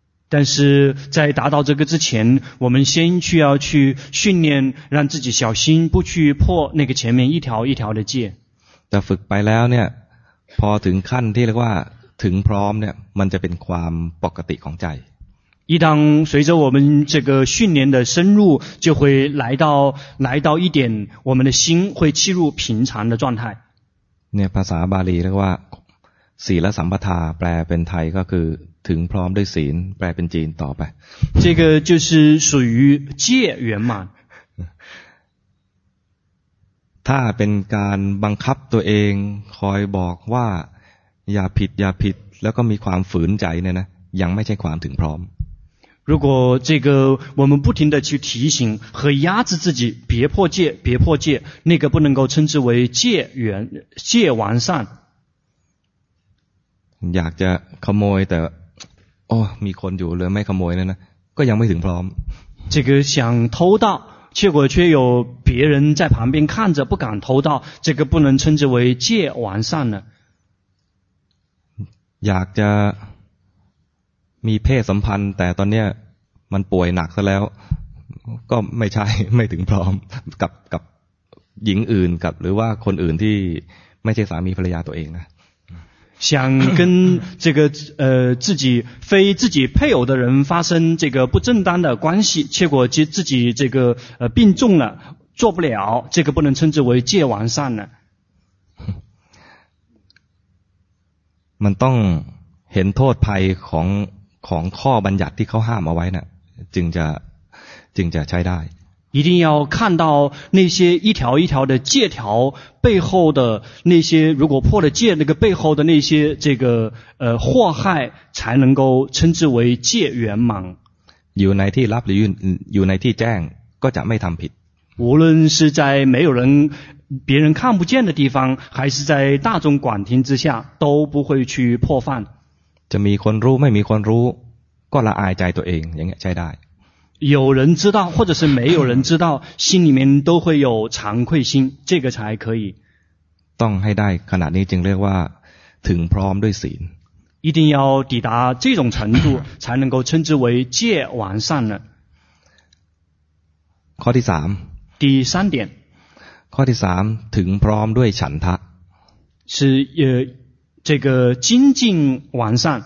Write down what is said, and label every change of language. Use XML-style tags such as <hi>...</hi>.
<zh>但是在达到这个之前，我们先需要去训练，让自己小心，不去破那个前面一条一条的戒。</zh> <th>แต่ฝึกไปแล้วเนี่ยพอถึงขั้นที่เรียกว่าถึงพร้อมเนี่ยมันจะเป็นความปกติของใจ</th> <zh>一旦随着我们这个训练的深入，就会来到一点，我们的心会进入平常的状态。</zh> <th>那ภาษาบาลีเรียกว่าศีลสัมปทาแปลเป็นไทยก็คือถึงพร้อมด้วยศีลแปลเป็นจีนต่อไป。</th> <zh>这个就是属于戒圆满。</zh> <th>ถ้าเป็นการบังคับตัวเองคอยบอกว่าอย่าผิดอย่าผิดแล้วก็มีความฝืนใจเนี่ยนะยังไม่ใช่ความถึงพร้อม。</th> <zh>如果这个我们不停的去提醒和压制自己，别破戒，别破戒，那个不能够称之为戒圆戒完善。</zh> <th>อยากจะขโมยแต่โอ้มีคนอยู่เลยไม่ขโมยแล้วนะก็ยังไม่ถึงพร้อม。</th> <zh>这个想偷盗，结果却有别人在旁边看着，不敢偷盗，这个不能称之为戒完善呢。</zh> <th>อยากจะมีเพศสัมพันธ์แต่ตอนนี้มันป่วยหนักซะแล้วก็ไม่ใช่ไม่ถึงพร้อมกับหญิงอื่นกับหรือว่าคนอื่นที่ไม่ใช่สามีภรรยาตัวเองนะ</th> <zh>想跟这个自己非自己配偶的人发生这个不正当的关系，结果自己这个病重了做不了，这个不能称之为戒完善呢。</zh> <th>มันต้องเห็นโทษภัยของข้อบัญญัติที่เขาห้ามเอาไว้น่ะจึงจะใช้ได้</th> <zh>一定要看到那些一条一条的戒条背后的那些如果破了戒那个背后的那些这个祸害才能够称之为戒圆满</zh> <th>อยู่ในที่รับหรืออยู่ในที่แจ้งก็จะไม่ทำผิด</th> <zh>无论是在没有人别人看不见的地方还是在大众广听之下都不会去破犯</zh> <th>จะมีคนรู้ไม่มีคนรู้ก็ละอายใจตัวเองอย่างเงี้ยใช้ได้</th> <zh>有人知道或者是没有人知道心里面都会有惭愧心这个才可以</zh> <th>ต้องให้ได้ขนาดนี้จึงเรียกว่าถึงพร้อมด้วยศีล</th> <zh>一定要抵达这种程度才能够称之为戒完善呢</zh> <th>ข้อที่3</th> <zh>第三点</zh> <th>ข้อที่3ถึงพร้อมด้วยฉันทะ</th> <zh>是这个精进完善</zh>